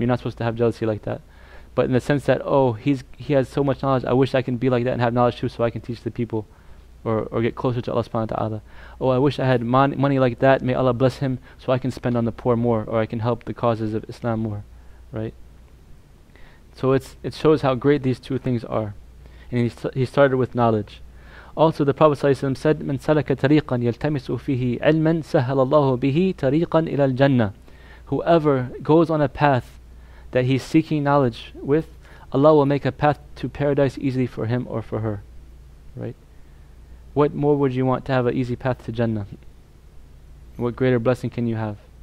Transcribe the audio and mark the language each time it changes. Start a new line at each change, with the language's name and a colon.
English: You're not supposed to have jealousy like that. But in the sense that, oh, he has so much knowledge, I wish I can be like that and have knowledge too, so I can teach the people or get closer to Allah subhanahu wa ta'ala. Oh, I wish I had money like that, may Allah bless him, so I can spend on the poor more, or I can help the causes of Islam more, right? So it shows how great these two things are. And he started with knowledge. Also, the Prophet ﷺ said,
Arabic: "من سلك طريقا يلتمس فيه علما سهل الله به طريقا إلى الجنة."
English: Whoever goes on a path that he's seeking knowledge with, Allah will make a path to paradise easily for him or for her. Right? What more would you want to have an easy path to Jannah? What greater blessing can you have?